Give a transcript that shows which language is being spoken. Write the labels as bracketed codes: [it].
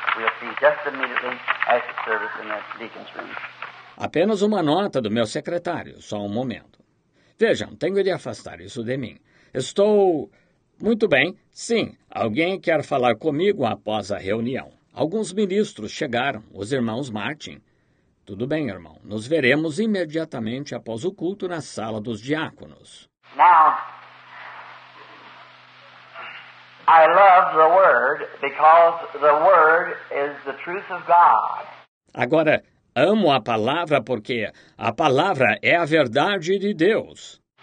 [en] We'll see just immediately after service in the deacon's room. [pt] Apenas uma nota do meu secretário. Só um momento. Vejam, tenho de afastar isso de mim. Estou... Muito bem. Sim, alguém quer falar comigo após a reunião. Alguns ministros chegaram, os irmãos Martin. Tudo bem, irmão. Nos veremos imediatamente após o culto na sala dos diáconos. [en] Now, I love the word because the word is the truth of God. [pt] Agora, amo a palavra porque a palavra é a verdade de Deus.